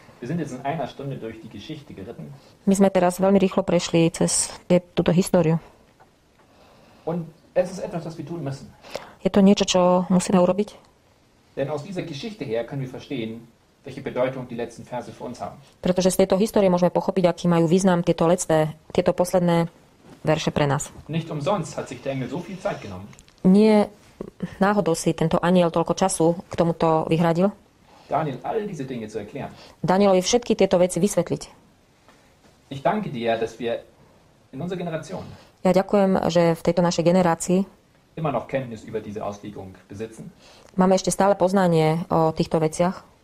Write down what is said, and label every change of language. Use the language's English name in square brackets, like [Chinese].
[German] wir sind jetzt in einer Stunde durch die Geschichte geritten. [Slovak] My sme teraz veľmi rýchlo prešli cez túto históriu. [German] Und es ist etwas, was wir tun müssen. [Slovak] Je to niečo, čo musíme urobiť? [German] Denn aus dieser Geschichte her können wir verstehen, welche Bedeutung die letzten Verse für uns haben. [Slovak] Pretože z tejto histórie môžeme pochopiť, aký majú význam tieto posledné verše pre nás. [German] Nicht umsonst hat sich der Engel so viel Zeit genommen. [Slovak] Nie náhodou si tento anjel toľko času k tomuto vyhradil. [German] Daniel, all diese Dinge zu erklären. [Slovak] Danielovi všetky tieto veci vysvetliť. [German] Ich danke dir, dass wir in unserer Generation. [Slovak] Ja ďakujem, že v tejto našej generácii [German] immer noch Kenntnis über diese Auslegung besitzen. [Slovak] Máme ešte stále poznanie o týchto veciach.